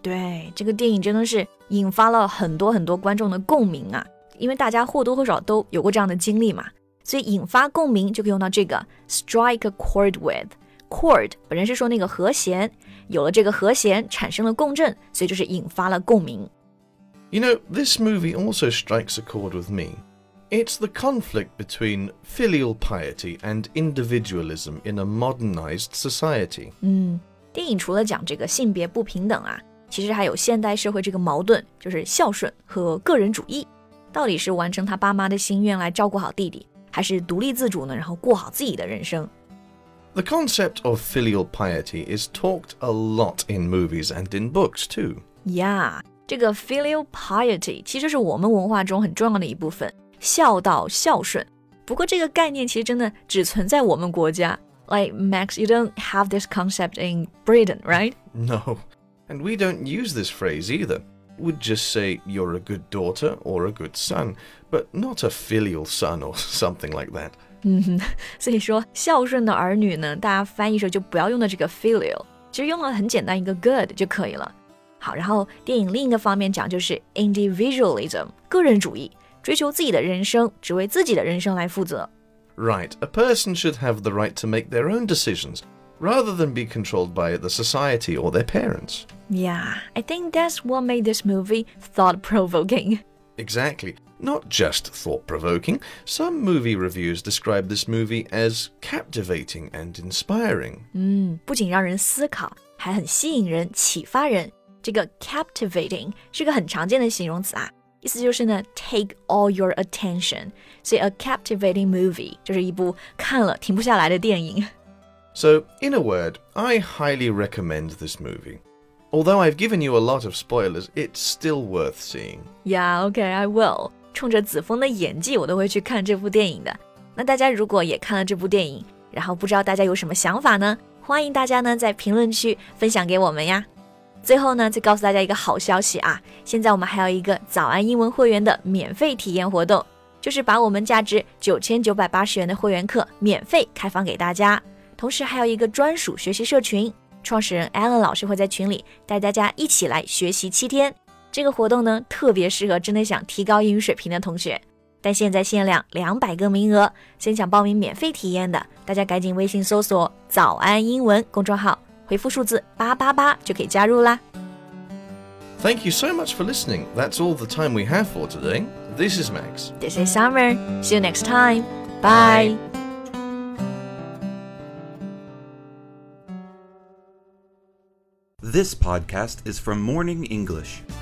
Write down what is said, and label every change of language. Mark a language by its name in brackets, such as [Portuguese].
[Chinese] 对，这个电影真的是引发了很多很多观众的共鸣啊，因为大家或多或少都有过这样的经历嘛，所以引发共鸣就可以用到这个 [English] strike a chord with. [Chinese] Chord 本身是说那个和弦，有了这个和弦产生了共振，所以就是引发了共鸣。 [English] You know, this movie also strikes a chord with me. It's the conflict between filial piety and individualism in a modernized society. [Chinese] 电影除了讲这个性别不平等啊，其实还有现代社会这个矛盾，就是孝顺和个人主义。到底是完成他爸妈的心愿来照顾好弟弟，还是独立自主呢，然后过好自己的人生？ [English] The concept of filial piety is talked a lot in movies and in books, too. [Chinese] Yeah, 这个 [English] filial piety [Chinese] 其实是我们文化中很重要的一部分，孝道、孝顺。不过这个概念其实真的只存在我们国家。 [English] Like, Max, you don't have this concept in Britain, right? No, and we don't use this phrase either. We'd just say you're a good daughter or a good son, but not a filial son or something like that. [Chinese] 所以说孝顺的儿女呢，大家翻译时候就不要用的这个 filial， 其实用了很简单一个 good 就可以了。好，然后电影另一个方面讲就是 individualism， 个人主义，追求自己的人生，只为自己的人生来负责。 [English] Right, a person should have the right to make their own decisions, rather than be controlled by the society or their parents. Yeah, I think that's what made this movie thought-provoking. Exactly. Not just thought-provoking, some movie reviews describe this movie as captivating and inspiring. [Chinese] 不仅让人思考，还很吸引人，启发人。这个 captivating 是个很常见的形容词啊，意思就是呢 [English] take all your attention. [Chinese] 所以 [English] a captivating movie [Chinese] 就是一部看了停不下来的电影。 [English] So, in a word, I highly recommend this movie. Although I've given you a lot of spoilers, it's still worth seeing. Yeah, okay, I will. [Chinese] 冲着子枫的演技，我都会去看这部电影的。那大家如果也看了这部电影，然后不知道大家有什么想法呢？欢迎大家呢在评论区分享给我们呀。最后呢，再告诉大家一个好消息啊！现在我们还有一个早安英文会员的免费体验活动，就是把我们价值9980元的会员课免费开放给大家，同时还有一个专属学习社群。创始人 Alan 老师会在群里带大家一起来学习7天。这个活动呢，特别适合真的想提高英语水平的同学。但现在限量200个名额，先想报名免费体验的，大家赶紧微信搜索“早安英文”公众号，回复数字888就可以加入啦。 [English] Thank you so much for listening. That's all the time we have for today. This is Max. This is Summer. See you next time. Bye. This podcast is from Morning English.